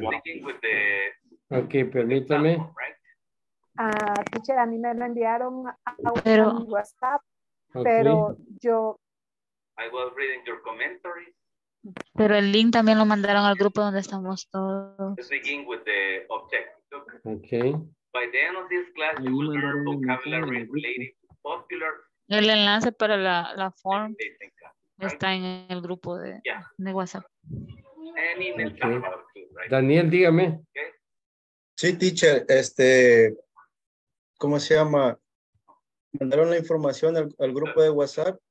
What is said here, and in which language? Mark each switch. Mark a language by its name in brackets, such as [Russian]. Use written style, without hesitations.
[English] Let's begin with the, [Spanish] ok, permítame. Teacher, a mí me lo enviaron a WhatsApp, pero yo. [English] I was reading your commentary. [Spanish] Pero el link también lo mandaron al grupo donde estamos todos. [English] Let's begin with the objective. Okay. By the end of this class, you will learn vocabulary related to popular. [Spanish] El enlace para la form está en el grupo de WhatsApp. And in el okay. Right? Daniel, dígame. Okay. Sí, teacher, ¿cómo se llama? Mandaron la información al grupo de WhatsApp.